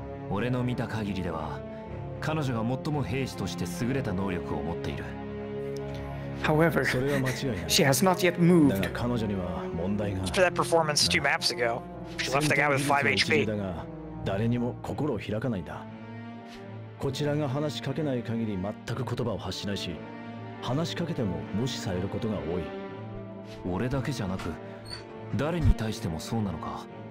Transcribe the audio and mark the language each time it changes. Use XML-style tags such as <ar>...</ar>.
<ja>俺の見た限りでは、彼女が最も兵士として優れた能力を持っている。</ja> <en>However, she has not yet moved. For that performance 2 maps ago, she left the guy with 5 HP.</en> <ja>誰にも心を開かないんだ。こちらが話しかけない限り全く言葉を発しないし、話しかけても無視されることが多い。俺だけじゃなく、誰に対してもそうなのか。</ja>